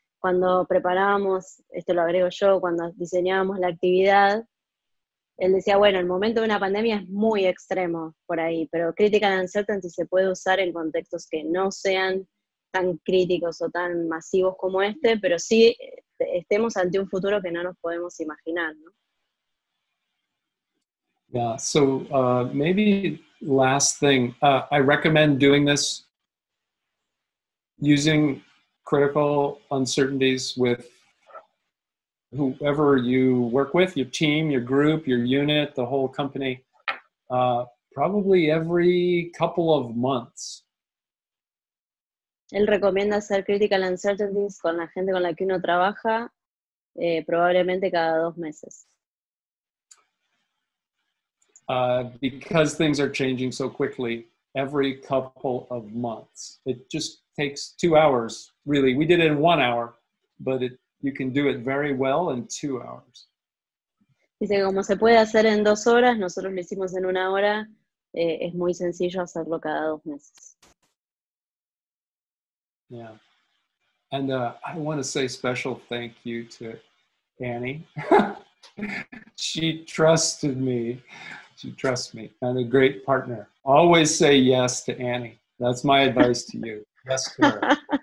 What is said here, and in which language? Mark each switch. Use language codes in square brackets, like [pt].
[es] Cuando preparábamos, esto lo agrego yo, cuando diseñábamos la actividad, él decía, bueno, el momento de una pandemia es muy extremo por ahí, pero Critical Uncertainty se puede usar en contextos que no sean tan críticos o tan masivos como este, pero sí estemos ante un futuro que no nos podemos imaginar, ¿no? [en] Yeah, so maybe last thing, I recommend doing this using Critical Uncertainties with whoever you work with, your team, your group, your unit, the whole company, probably every couple of months. [es] Él recomienda hacer Critical Uncertainties con la gente con la que uno trabaja, probablemente cada 2 meses. [en] Because things are changing so quickly, every couple of months. It just takes 2 hours, really. We did it in 1 hour, but it, You can do it very well in 2 hours. [es] Dice que como se puede hacer en 2 horas, nosotros lo hicimos en 1 hora, es muy sencillo hacerlo cada 2 meses. [en] Yeah. And I want to say special thank you to Annie. She trusted me. She trusts me. And a great partner. Always say yes to Annie. That's my advice to you. Yes to her.